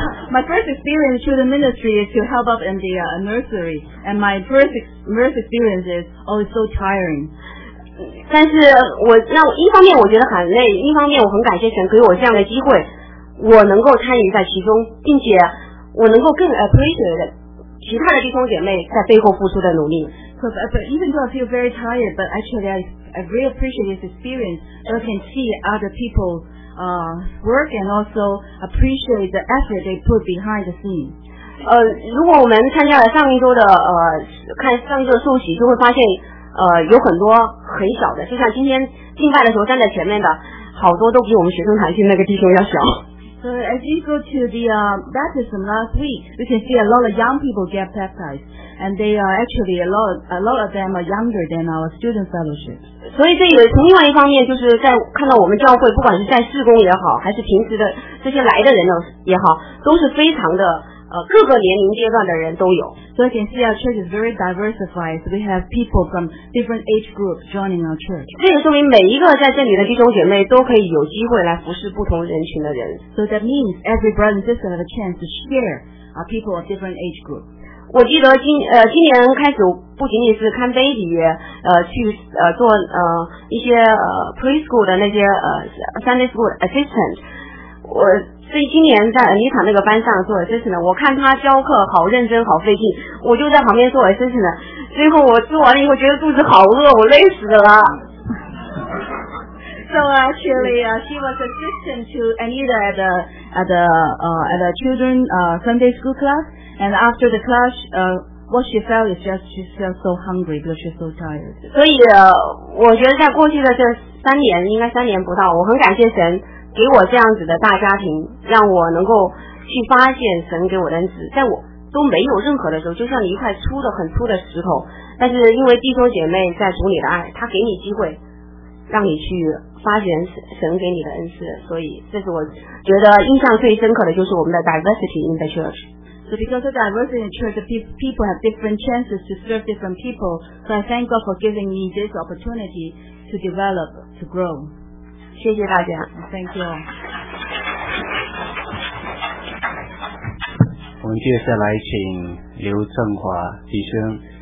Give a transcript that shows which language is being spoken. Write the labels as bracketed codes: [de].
[en] My first experience through the ministry is to help out in the nursery, and my first experience is, oh, it's so tiring. [zh] 但是我让一方面我觉得很累，一方面我很感谢神给我这样的机会，我能够参与在其中，并且我能够更 [en] appreciate [zh] 其他的弟兄姐妹在背后付出的努力。 [en] But even though I feel very tired, but actually I really appreciate this experience. I can see other people's work and also appreciate the effort they put behind the scene. [zh] 如果我们参加了上一周的看上一周的受洗，就会发现有很多很小的，就像今天敬拜的时候站在前面的，好多都比我们学生团去那个弟兄要小。 [en] So as you go to the baptism last week, we can see a lot of young people get baptized, and they are actually a lot of them are younger than our student fellowship. [zh] 所以这也从另外一方面，就是在看到我们教会不管是在事工也好，还是平时的这些来的人也好，都是非常的各个年龄阶段的人都有。 [en] So you can see our church is very diversified. So we have people from different age groups joining our church. [zh] 这也说明每一个在这里的弟兄姐妹都可以有机会来服侍不同人群的人。 [en] So that means every brother and sister have a chance to share our people of different age groups. [zh] 我记得今年开始不仅仅是看 baby 去做一些preschool 的那些 [en] Sunday school assistant。 [zh] 我所以今年在妮塔那个班上做 assistant， 我看他教课好认真好费劲，我就在旁边做 assistant， 最后我做完了以后觉得肚子好饿，我累死了。 [en] So actually, she was assistant to Anita at the children Sunday school class, and after the class, what she felt is just she felt so hungry because she's so tired. [zh] 所以我觉得在过去的这三年，应该三年不到，我很感谢神。给我这样子的大家庭，让我能够去发现神给我的恩赐，在我都没有任何的时候，就像一块粗的很粗的石头，但是因为弟兄姐妹在主里的爱，他给你机会让你去发现神给你的恩赐，所以这是我觉得印象最深刻的，就是我们的 [en] diversity in the church。 So because of diversity in the church, people have different chances to serve different people, so I thank God for giving me this opportunity to develop, to grow。 [zh] 谢谢大家 [en] ，Thank you。 [zh] 我们接下来请刘正华弟兄。